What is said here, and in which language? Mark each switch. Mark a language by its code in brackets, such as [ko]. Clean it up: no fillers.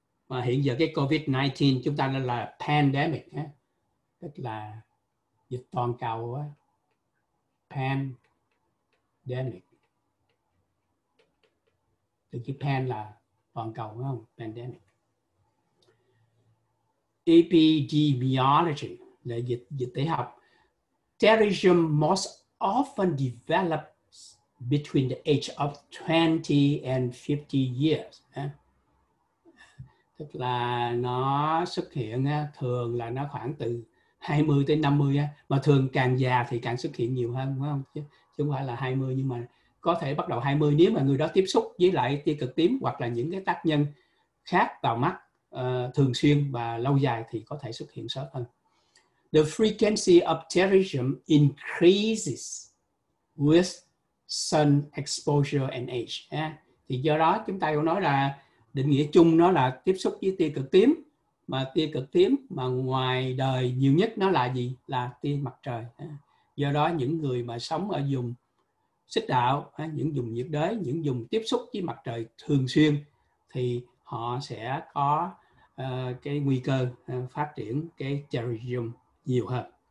[vi] Mà hiện giờ cái COVID-19 chúng ta nói là pandemic, tức là dịch toàn cầu, pandemic. Từ chữ pan là toàn cầu, phải không? Pandemic. Epidemiology là dịch tễ học. [en] Pterygium most often develops between the age of 20 and 50 years. [vi] Tức là nó xuất hiện thường là nó khoảng từ 20 tới 50, mà thường càng già thì càng xuất hiện nhiều hơn, đúng không? Chứ không phải là 20, nhưng mà có thể bắt đầu 20 nếu mà người đó tiếp xúc với lại tia cực tím hoặc là những cái tác nhân khác vào mắt thường xuyên và lâu dài thì có thể xuất hiện sớm hơn. [en] The frequency of pterygium increases with sun exposure and age. [vi] Thì do đó chúng ta cũng nói là định nghĩa chung nó là tiếp xúc với tia cực tím. Mà tia cực tím mà ngoài đời nhiều nhất nó là gì? Là tia mặt trời. Do đó những người mà sống ở vùng xích đạo, những vùng nhiệt đới, những vùng tiếp xúc với mặt trời thường xuyên thì họ sẽ có cái nguy cơ phát triển cái pterygium nhiều hơn.